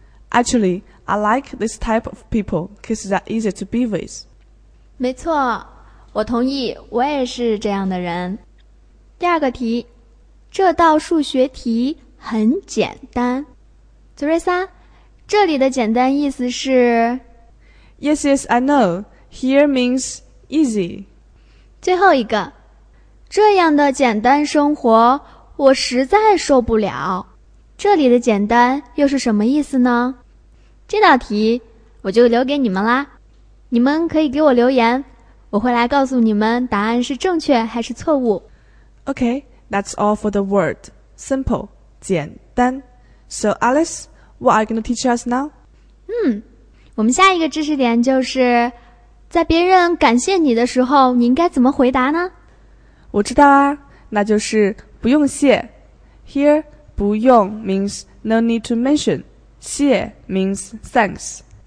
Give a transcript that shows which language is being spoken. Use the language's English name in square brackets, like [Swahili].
[English] Actually, I like this type of people because they're easy to be with. [Chinese] 没错，我同意，我也是这样的人。第二个题，这道数学题很简单。祖瑞莎，这里的简单意思是？ [English] Yes, yes, I know. Here means easy. [Chinese] 最后一个，这样的简单生活我实在受不了，这里的简单又是什么意思呢？这道题我就留给你们啦，你们可以给我留言，我会来告诉你们答案是正确还是错误。 [English] OK, that's all for the word simple, 简单。 So Alice, what are you going to teach us now? [Chinese] 我们下一个知识点就是在别人感谢你的时候，你应该怎么回答呢？我知道啊，那就是不用谢。 [English] Here, 不用 means no need to mention. 谢 means thanks.